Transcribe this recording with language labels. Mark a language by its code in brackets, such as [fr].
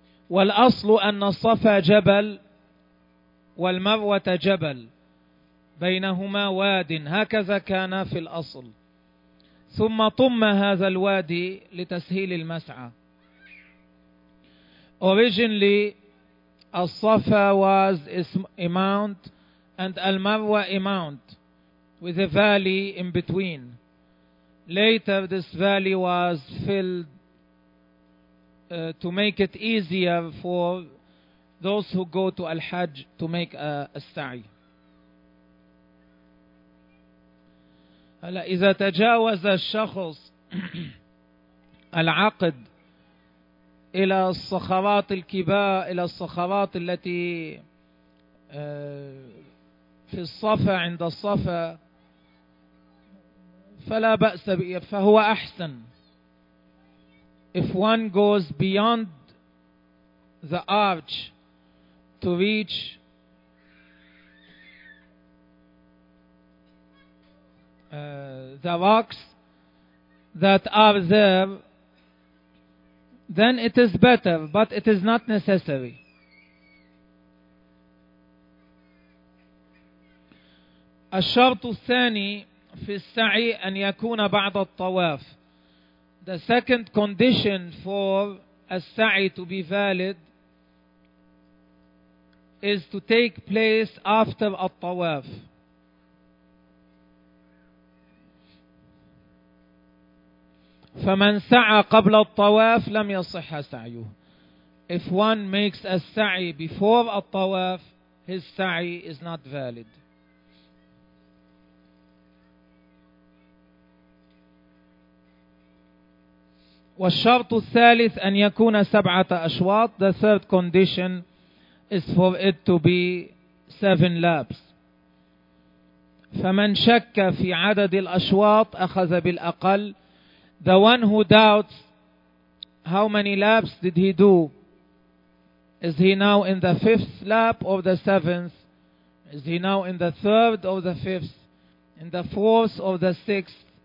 [ar] والأصل أن الصفا جبل والمروة جبل بينهما واد، هكذا كان في الأصل، ثم طم هذا الوادي لتسهيل المسعى. [en] Originally الصفا was a mount and المروة a mount with a valley in between. Later this valley was filled to make it easier for those who go to Al-Hajj to make a sa'i. [ar] هلا إذا تجاوز الشخص العقد إلى الصخرات الكبار، إلى الصخرات التي في الصفا عند الصفا، فلا بأس به، فهو أحسن. [en] If one goes beyond the arch to reach the rocks that are there, then it is better, but it is not necessary. [ar] الشرط الثاني في السعي أن يكون بعد الطواف. [en] The second condition for a sa'i to be valid is to take place after al-tawaf. [ar] فمن سعى قبل الطواف لم يصح سعيه. [en] If one makes a sa'i before al-tawaf, his sa'i is not valid. [ar] والشرط الثالث أن يكون سبعة أشواط. [en] The third condition is for it to be seven laps. [ar] فمن شك في عدد الأشواط أخذ بالأقل. [en] The one who doubts how many laps did he do Is he now in the fifth lap or the seventh? Is he now in the third or the fifth? In the fourth or the sixth?